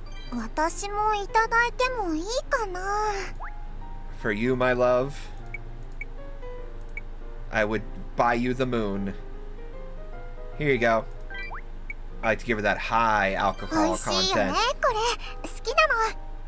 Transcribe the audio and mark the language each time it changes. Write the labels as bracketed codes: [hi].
[ja] 私もいただいてもいいかな? [en] For you, my love, I would buy you the moon. Here you go. I like to give her that high alcohol content. [ja] おいしいよね、これ。好きなの。